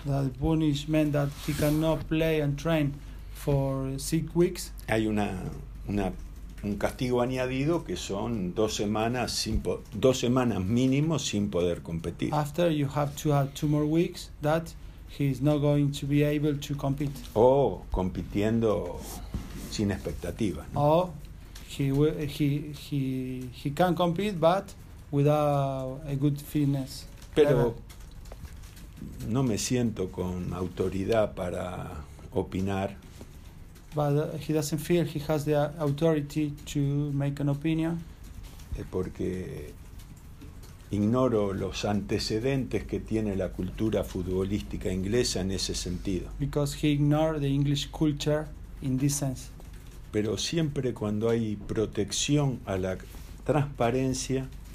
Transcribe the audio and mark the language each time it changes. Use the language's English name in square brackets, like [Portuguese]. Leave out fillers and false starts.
[English] That punishment that he cannot play and train for 6 weeks. [Spanish] Hay una un castigo añadido que son dos semanas mínimo sin poder competir. [English] After you have to have two more weeks that he's not going to be able to compete. [Spanish] O compitiendo sin expectativas. ¿No? [English] Or he can compete but without a good fitness. [Spanish] Pero no me siento con autoridad para opinar. [English] But he doesn't feel he has the authority to make an opinion. [Spanish] Porque ignoro los antecedentes que tiene la cultura futbolística inglesa en ese sentido. [English] Because he ignores the English culture in this sense. [Spanish] Pero siempre cuando hay protección a la transparencia.